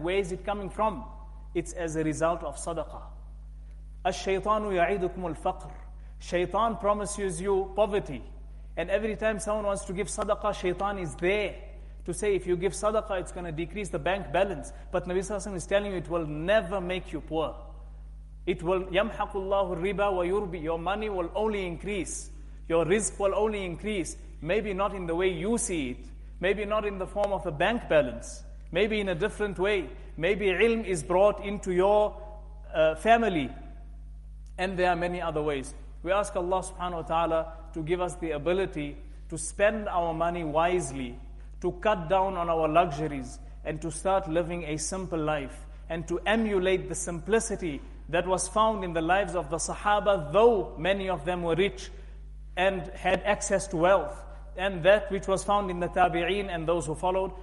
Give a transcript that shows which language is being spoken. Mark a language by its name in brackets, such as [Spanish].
[English] Where is it coming from? It's as a result of sadaqah. [Arabic] الشيطان يعيدكم الفقر. [English] Shaitan promises you poverty. And every time someone wants to give sadaqah, shaitan is there to say, if you give sadaqah, it's going to decrease the bank balance. But Nabi Sallallahu Alaihi Wasallam is telling you, it will never make you poor. It will, [Arabic] يَمْحَقُ اللَّهُ الرِّبَى وَيُرْبِي. [English] Your money will only increase. Your rizq will only increase. Maybe not in the way you see it. Maybe not in the form of a bank balance. Maybe in a different way. Maybe ilm is brought into your family. And there are many other ways. We ask Allah subhanahu wa ta'ala to give us the ability to spend our money wisely, to cut down on our luxuries, and to start living a simple life, and to emulate the simplicity that was found in the lives of the Sahaba, though many of them were rich and had access to wealth, and that which was found in the Tabi'een and those who followed.